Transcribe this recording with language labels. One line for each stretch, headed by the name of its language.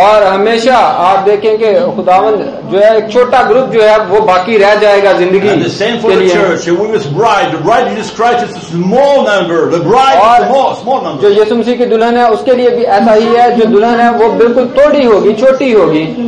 Hindi: और हमेशा आप देखेंगे खुदावंद जो है एक छोटा ग्रुप जो है वो बाकी रह जाएगा जिंदगी.
English: And the same for the church. We was bride. The bride Jesus Christ is a small number. The bride is a small number.
Hindi: जो यीशु मसीह की दुल्हन है उसके लिए भी ऐसा ही है. जो दुल्हन है वो बिल्कुल थोड़ी होगी, छोटी होगी.